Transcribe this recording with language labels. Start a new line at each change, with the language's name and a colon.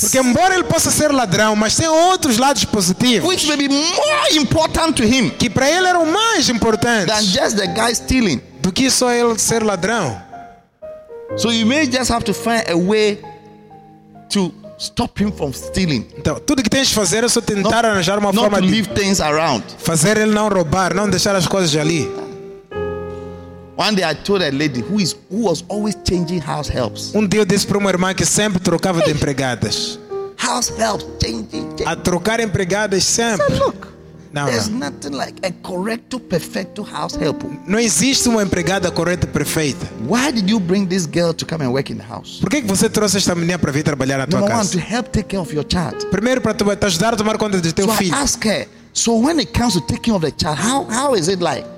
Portuguese: Porque embora ele possa ser ladrão, mas tem outros lados positivos.
English: Which may be more important to him.
Portuguese: Que para ele eram mais importantes.
English: Than just the guy stealing.
Portuguese: Do que só ele ser ladrão.
English: So you may just have to find a way to stop him from stealing.
Portuguese: Então, tudo que tens de fazer é só tentar arranjar uma forma
English: to leave things around.
Portuguese: Fazer ele não roubar, não deixar as coisas ali.
English: One day I told a lady who was always changing house helps.
Portuguese: Dia eu disse para uma irmã que sempre trocava de empregadas.
English: House helps changing.
Portuguese: A trocar empregadas sempre.
English: So look, now, there's nothing like a
Spanish: correcto, perfecto
English: house help.
Portuguese: Não existe uma empregada correta perfeita.
English: Why did you bring this girl to come and work in the house?
Portuguese: Por que você trouxe esta menina para vir trabalhar na tua casa?
English: Number one, to help take care of your child.
Portuguese: Primeiro para te ajudar a tomar conta do teu filho.
English: So ask her. So when it comes to taking of the child, how is it like?